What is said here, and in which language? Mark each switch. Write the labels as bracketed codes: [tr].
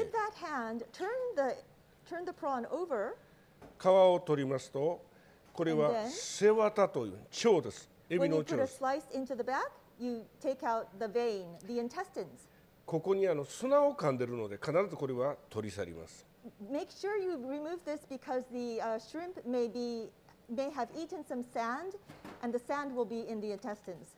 [en] And with that hand, turn the prawn over. [ja] 皮を取りますと、これは背わたという腸です。エビの腸です。 [en] When you put a slice into the back, you take out the vein, the intestines. [ja] ここに砂を噛んでいるので、必ずこれは取り去ります。 [en] Make sure you remove this because the shrimp may have eaten some sand, and the sand will be in the intestines.